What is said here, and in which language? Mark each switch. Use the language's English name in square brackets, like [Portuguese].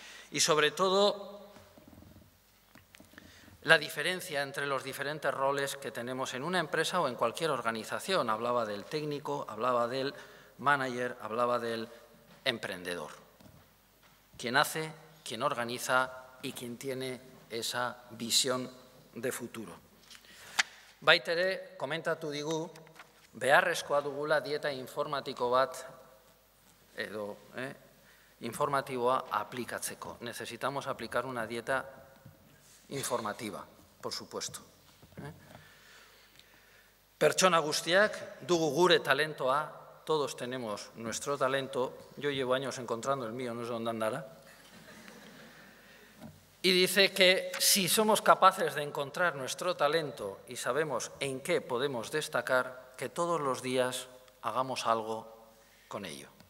[Spanish] Y sobre todo, la diferencia entre los diferentes roles que tenemos en una empresa o en cualquier organización. Hablaba del técnico, hablaba del manager, hablaba del emprendedor. Quien hace, quien organiza y quien tiene esa visión de futuro. [Basque] Baitere, komentatu digu, beharrezkoa dugula dieta informatiko bat edo informatiboa aplikatzeko. [Spanish] Necesitamos aplicar una dieta informativa, por supuesto. [Basque] Pertsona guztiak dugu gure talentoa, [Spanish] todos tenemos nuestro talento, yo llevo años encontrando el mío, no sé dónde andará, y dice que si somos capaces de encontrar nuestro talento y sabemos en qué podemos destacar, que todos los días hagamos algo con ello.